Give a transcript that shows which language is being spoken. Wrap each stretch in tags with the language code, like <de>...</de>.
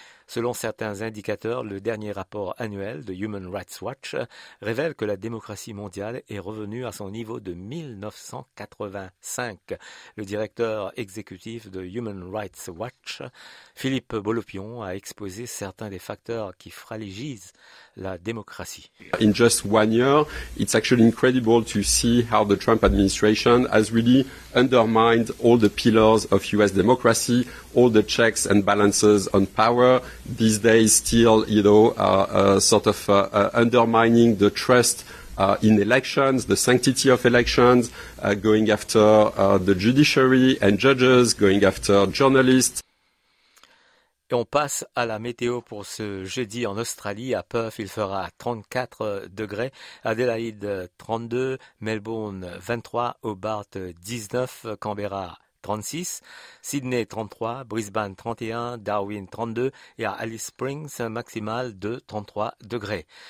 <fr>Selon certains indicateurs, le dernier rapport annuel de Human Rights Watch révèle que la démocratie mondiale est revenue à son niveau de 1985. Le directeur exécutif de Human Rights Watch, Philippe Bolopion, a exposé certains des facteurs qui fragilisent la démocratie.</fr> <en>In just one year, it's actually incredible to see how the Trump administration has really undermined all the pillars of US democracy, all the checks and balances on power. These days still, you know, undermining the trust in elections, the sanctity of elections, going after the judiciary and judges, going after journalists.</en> <fr>Et on passe à la météo pour ce jeudi en Australie. À Perth, il fera 34 degrés, Adélaïde 32, Melbourne 23, Hobart 19, Canberra 36, Sydney 33, Brisbane 31, Darwin 32 et à Alice Springs, un maximal de 33 degrés.</fr>